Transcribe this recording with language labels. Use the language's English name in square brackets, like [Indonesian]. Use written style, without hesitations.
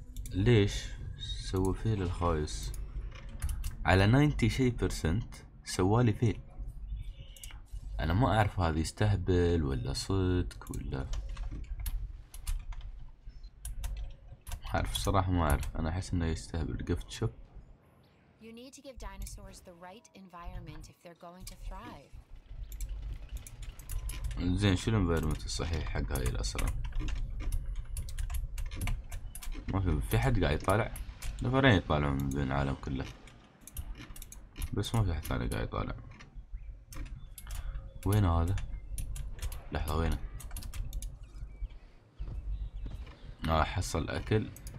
[Arabic] ليش سوى فيل الخايس على 90 شي بيرسنت؟ سوالي فيل، انا ما اعرف هذا يستهبل ولا صدق ولا عارف. صراحة ما أعرف، أنا أحس إنه يستهبل. جفت شوب. [English] You need to give dinosaurs the right environment if they're going to thrive. [Arabic] زين شو الانفايرمنت الصحيح حق هاي الأسرة؟ ما في في حد قاعد يطالع؟ نفرين يطالعون من بين العالم كله، بس ما في حد ثاني قاعد يطالع. وين هذا؟ لحظة وينه؟ حصل أكل.